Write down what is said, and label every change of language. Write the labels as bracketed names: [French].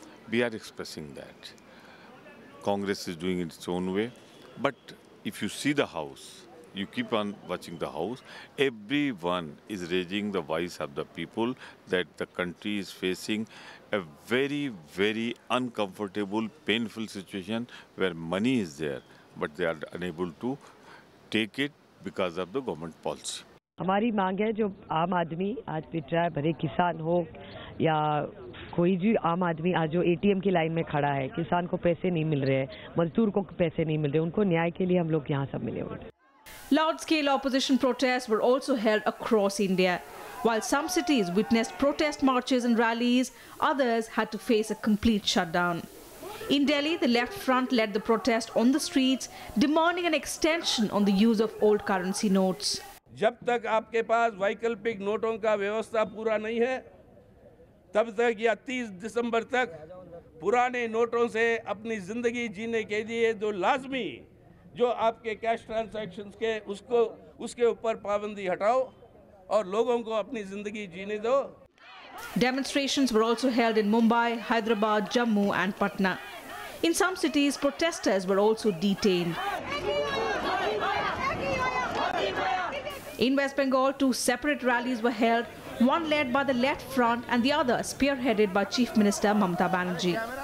[English] We are expressing that. Congress is doing it its own way, but if you see the House, you keep on watching the House, everyone is raising the voice of the people that the country is facing a very, very uncomfortable, painful situation where money is there, but they are unable to take it because of the government policy. [Hindi] हमारी मांग है जो आम आदमी आज पिट रहा है भले किसान हो या कोई भी आम आदमी आज जो एटीएम की लाइन में खड़ा है किसान को पैसे नहीं मिल रहे हैं मजदूर को पैसे नहीं मिल रहे उनको न्याय के लिए हम लोग यहां सब मिले हुए [English] Large-scale opposition protests were also held across India. While some cities witnessed protest marches and rallies, others had to face a complete shutdown. In Delhi, the left front led the protest on the streets, demanding an extension on the use of old currency notes. [Hindi] जब तक आपके पास वैकल्पिक नोटों का व्यवस्था पूरा नहीं है, तब तक या 30 दिसंबर तक पुराने नोटों से अपनी जिंदगी जीने के लिए जो लाजमी जो आपके कैश ट्रांजैक्शंस के उसको उसके ऊपर पाबंदी हटाओ और लोगों को अपनी जिंदगी जीने दो [English] Demonstrations were also held in Mumbai, Hyderabad, Jammu and Patna. In some cities, protesters were also detained. In West Bengal, two separate rallies were held, one led by the left front and the other spearheaded by Chief Minister Mamata Banerjee.